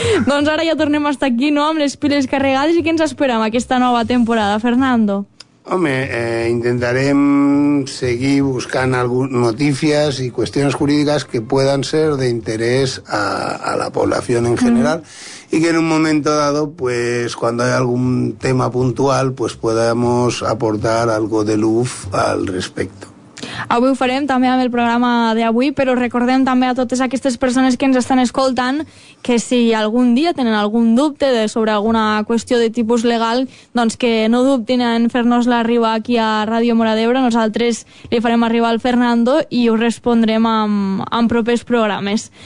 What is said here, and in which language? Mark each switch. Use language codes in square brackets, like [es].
[ca] Doncs ara ja tornem a estar aquí, no?, amb les piles carregades. I què ens esperem aquesta nova temporada, Fernando? Home, intentarem seguir buscant algunes notícies i qüestions jurídiques que [es] puedan [ca] ser d'interès a la població en general. Mm. [es] Y que en un momento dado, pues cuando hay algún tema puntual, pues podamos aportar algo de luz al respecto. [ca] Avui ho farem també amb el programa d'avui, però recordem també a totes aquestes persones que ens estan escoltant que si algun dia tenen algun dubte de sobre alguna qüestió de tipus legal, doncs que no dubtin en fer-nos-la arribar aquí a Ràdio Mora d'Ebre. Nosaltres li farem arribar al Fernando i ho respondrem en propers programes.